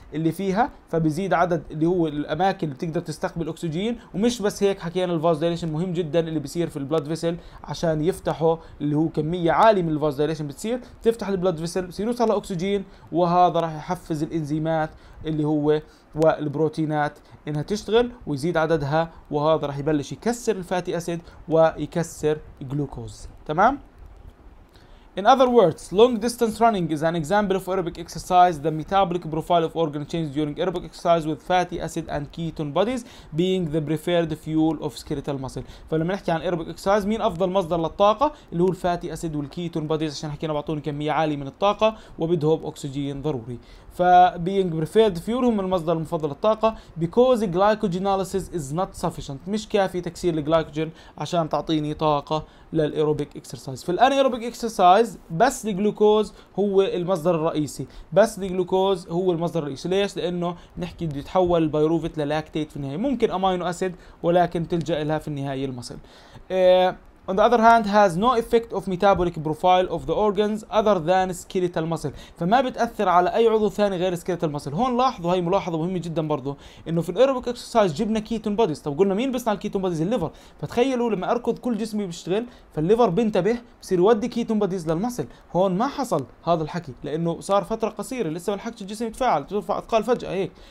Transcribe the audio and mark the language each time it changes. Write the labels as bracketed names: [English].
[Arabic] اللي فيها فبيزيد عدد اللي هو الاماكن اللي بتقدر تستقبل اكسجين ومش بس هيك حكينا الفازديليشن مهم جدا اللي بيصير في البلد فيسل عشان يفتحه اللي هو كميه عاليه من الفازديليشن بتصير تفتح البلد فيسل بصير يوصل لاكسجين وهذا راح يحفز الانزيمات اللي هو والبروتينات انها تشتغل ويزيد عددها وهذا راح يبلش يكسر الفاتي اسيد ويكسر الجلوكوز. تمام؟ [English] In other words, long distance running is an example of aerobic exercise. The metabolic profile of organ changes during aerobic exercise with fatty acid and ketone bodies being the preferred fuel of skeletal muscle. [Arabic] فلما نحكي عن aerobic exercise مين افضل مصدر للطاقه اللي هو الفاتي اسيد والكيتون بوديز عشان حكينا بعطوني كميه عاليه من الطاقه وبدهم اكسجين ضروري. ف [English] being preferred fuel [Arabic] هم المصدر المفضل للطاقه [English] because glycogenolysis is not sufficient [Arabic] مش كافي تكسير الجلايكوجين عشان تعطيني طاقه للايروبيك اكسرسايز. في الانيروبيك اكسرسايز بس الجلوكوز هو المصدر الرئيسي، بس الجلوكوز هو المصدر الرئيسي، ليش؟ لانه نحكي بده يتحول البيروفيت للاكتيت في النهايه، ممكن امينو اسيد ولكن تلجا لها في النهايه المصل. [English] on the other hand has no effect of metabolic profile of the organs other than skeletal muscle. [Arabic] فما بتأثر على أي عضو ثاني غير skeletal muscle. هون لاحظوا هاي ملاحظة مهمة جدا برضو إنه في الأيروبيك اكسرسايز جبنا كيتون بوديز. طب قلنا مين بيصنع الكيتون بوديز؟ الليفر. فتخيلوا لما أركض كل جسمي بيشتغل فالليفر بينتبه بصير يودي كيتون بوديز للمسل. هون ما حصل هذا الحكي لأنه صار فترة قصيرة لسه ما لحقش الجسم يتفاعل بترفع أثقال فجأة هيك.